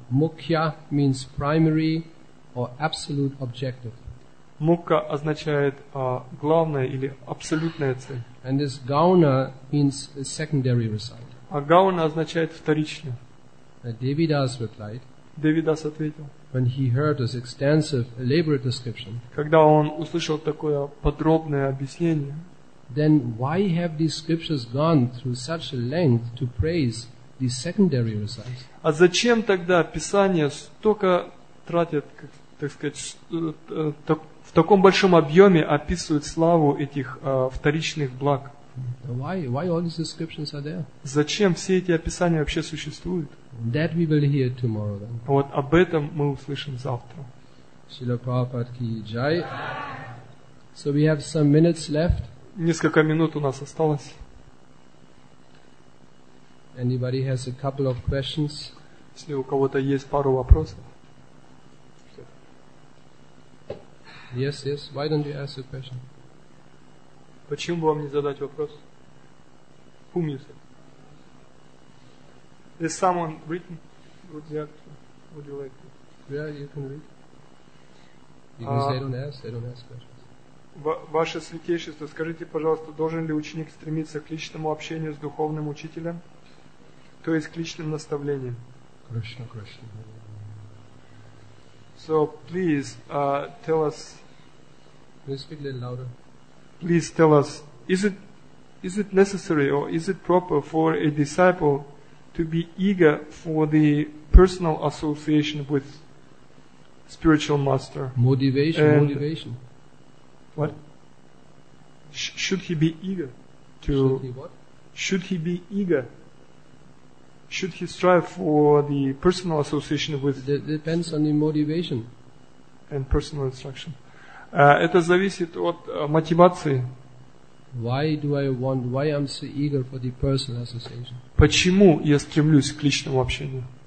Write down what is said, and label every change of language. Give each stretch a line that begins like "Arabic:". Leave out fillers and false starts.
English: Mukhya means primary or absolute objective.
Russian: Мукха означает главная или абсолютная цель.
English: And this gauna means a secondary result.
Russian: А гауна означает вторичное.
English: Devidas replied.
Russian: Devidas ответил.
English: When he heard this extensive elaborate description,
Russian: когда он услышал такое подробное объяснение,
English: then why have these scriptures gone through such a length to praise the secondary results?
Russian: А зачем тогда Писание столько тратит, как, так сказать, в таком большом объеме описывает славу этих вторичных благ?
English: Why all these descriptions are there?
Russian: Зачем все эти описания вообще существуют?
English: That we will hear tomorrow then.
Russian: Вот об этом мы услышим завтра.
Hindi: Шрила Прабхупада ки джай.
English: So we have some minutes left.
Russian: Несколько минут у нас осталось.
English: Anybody has a couple of questions?
Russian: Если у кого-то есть пару вопросов.
English: Yes, yes. Why don't you ask a question? Почему бы вам не задать вопрос? Whom you said? Is someone written? Would you like to? Yeah, you can read. Because they don't ask questions.
Russian: Ваше святейшество, скажите, пожалуйста, должен ли ученик стремиться к личному общению с духовным учителем, то есть к личным наставлениям?
English: Krishna, Krishna. So, please, tell us. Can you speak a little louder? Please tell us, is it necessary or is it proper for a disciple to be eager for the personal association with spiritual master? Motivation. What? Should he be eager to? Should he what? Should he be eager? Should he strive for the personal association with? It depends on the motivation. And personal instruction.
Russian: Это зависит от мотивации.
English: Why I'm so eager for the personal association?
Russian: Почему я стремлюсь к личному общению?